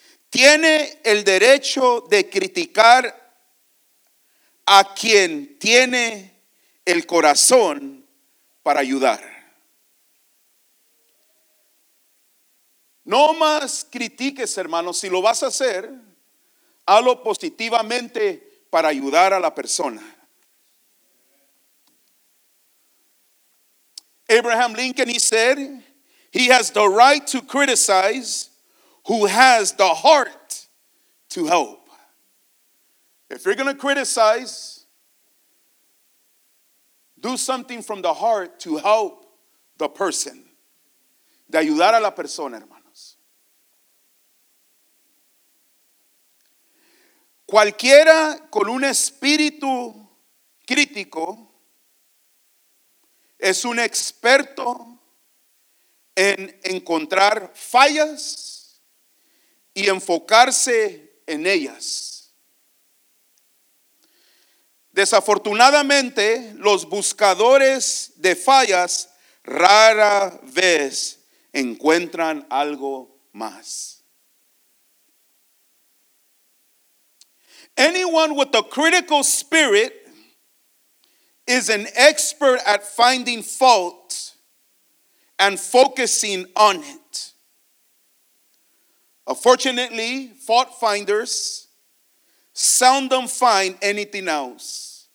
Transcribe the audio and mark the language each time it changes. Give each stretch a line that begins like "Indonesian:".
Spanish: Tiene el derecho de criticar a quien tiene el corazón para ayudar. No más critiques, hermanos. Si lo vas a hacer, hazlo positivamente para ayudar a la persona.
English: Abraham Lincoln, he said, he has the right to criticize who has the heart to help. If you're going to criticize, do something from the heart to help the person.
Spanish: De ayudar a la persona, hermano. Cualquiera con un espíritu crítico es un experto en encontrar fallas y enfocarse en ellas. Desafortunadamente, los buscadores de fallas rara vez encuentran algo más.
English: Anyone with a critical spirit is an expert at finding fault and focusing on it. Unfortunately, fault finders seldom find anything else.